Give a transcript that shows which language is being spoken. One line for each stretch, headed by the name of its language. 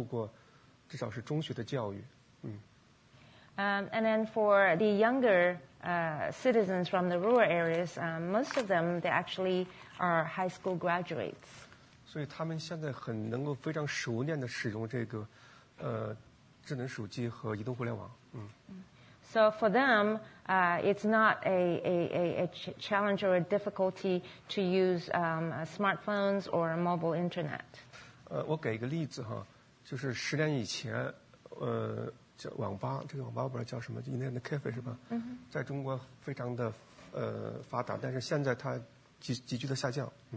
Chinese: 然后第二个方面的话是关于其实是这些年轻人来自农村的年轻人本身的，这些年轻的农村他其实可能很多都受过至少是中学的教育。
English: And then for the younger citizens from the rural areas, most of them they actually are high school graduates.
Chinese: 所以他们现在很能够非常熟练地使用这个智能手机和移动互联网。
English: So for them, it's not a challenge or a difficulty to use smartphones or mobile internet.
Chinese: 我给一个例子哈，就是十年以前，叫网吧，这个网吧我不知道叫什么 ，
English: Internet Cafe
Chinese: 是吧？在中国非常的发达，但是现在它急剧的下降。